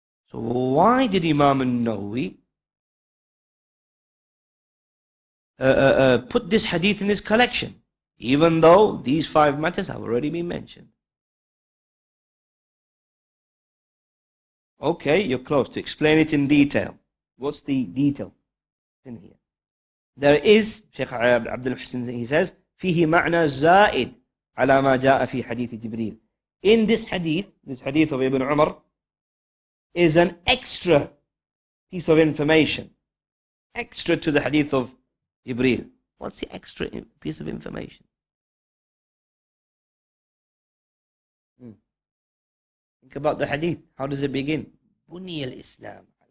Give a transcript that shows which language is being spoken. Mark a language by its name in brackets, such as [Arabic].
[English] So why did Imam al-Nawawi put this hadith in this collection, even though these five matters have already been mentioned? Okay, you're close. To explain it in detail, what's the detail in here? There is, Sheikh Abdul Hussein, he says, [Arabic] فيه معنى زائد على ما جاء في حديث جبريل. [English] In this hadith of Ibn Umar, is an extra piece of information, extra to the hadith of Jibreel. What's the extra piece of information? Think about the hadith. How does it begin? Buni al-Islam.